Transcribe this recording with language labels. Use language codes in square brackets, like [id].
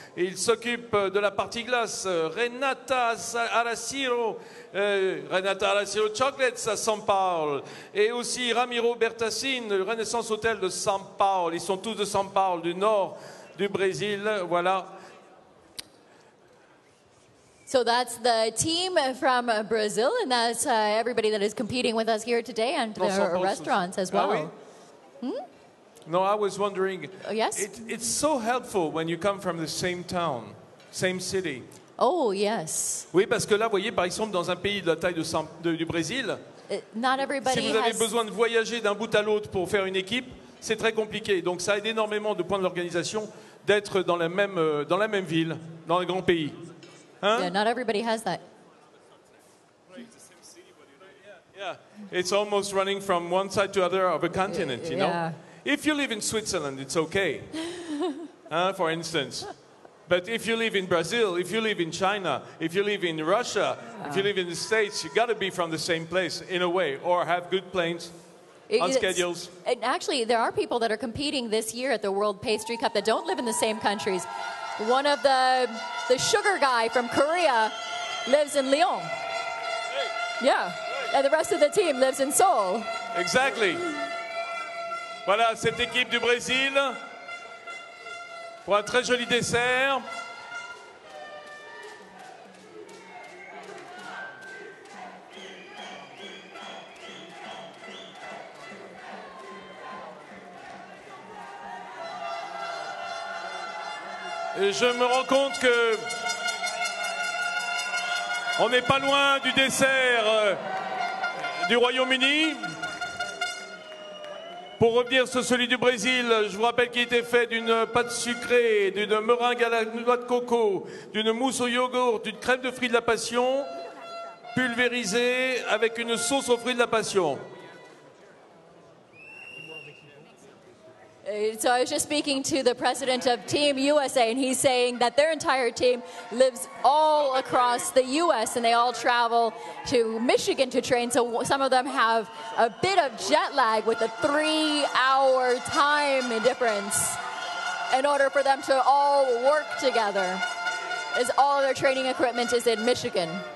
[fr] Il s'occupe de la partie glace Renata Araciro. Renata Araciro Chocolates à São Paulo. Et aussi Ramiro Bertassin, le Renaissance Hotel de São Paulo. Ils sont tous de São Paulo, du nord du Brésil. Voilà. [en] So that's the team from Brazil, and that's everybody that is competing with us here today, and their restaurants as well. No, I was wondering. Yes? It's so helpful when you come from the same town, same city. Oh, yes. [fr] Oui, parce que là, vous voyez, par exemple, dans un pays de la taille du Brésil, [en] not everybody [fr] si vous avez besoin de voyager d'un bout à l'autre pour faire une équipe, c'est très compliqué. Donc ça aide énormément de points de l'organisation d'être dans la même ville, dans un grand pays. Hein? [en] Yeah, not everybody has that. Yeah, it's almost running from one side to other of a continent, you know? Yeah. If you live in Switzerland, it's okay, for instance. But if you live in Brazil, if you live in China, if you live in Russia, if you live in the States, you got to be from the same place in a way, or have good planes. On schedules. And actually, there are people that are competing this year at the World Pastry Cup that don't live in the same countries. One of the sugar guy from Korea lives in Lyon. Hey. Yeah. And the rest of the team lives in Seoul. Exactly. [fr] Voilà, cette équipe du Brésil pour un très joli dessert. Et je me rends compte que on n'est pas loin du dessert du Royaume-Uni. Pour revenir sur celui du Brésil, je vous rappelle qu'il était fait d'une pâte sucrée, d'une meringue à la noix de coco, d'une mousse au yogourt, d'une crème de fruits de la passion, pulvérisée avec une sauce aux fruits de la passion. [en] So I was just speaking to the president of Team USA, and he's saying that their entire team lives all across the U.S., and they all travel to Michigan to train, so some of them have a bit of jet lag with a three-hour time difference in order for them to all work together, as all of their training equipment is in Michigan.